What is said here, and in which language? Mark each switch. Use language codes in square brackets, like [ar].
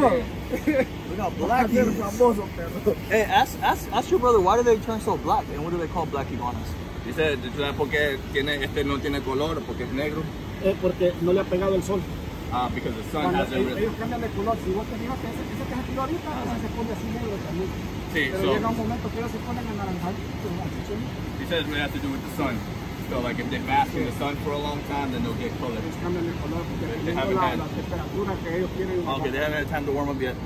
[en] Hey, ask your brother, why do they turn so black, and what do they call black iguanas? He said, [es] ¿sabes por qué tiene este no tiene color porque es negro? Porque no le ha pegado el sol. [en] Ah, because the sun hasn't really. [es] Ellos cambian de color. Si vos te digas que ese que es el color ahorita, se pone así negro también. [en] Okay, so he says we have to do with the sun. So like if they bask in the sun for a long time, then they'll get color. They haven't had time to warm up yet.